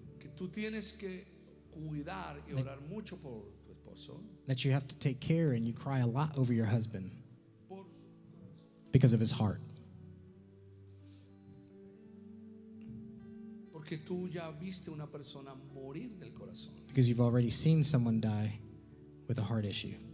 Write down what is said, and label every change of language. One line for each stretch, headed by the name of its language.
Spanish: que tú tienes que cuidar y orar mucho por tu esposo.
English: That you have to take care and you cry a lot over your husband because of his heart.
Spanish: Que tú ya viste una persona morir del corazón.
English: Because you've already seen someone die with a heart issue.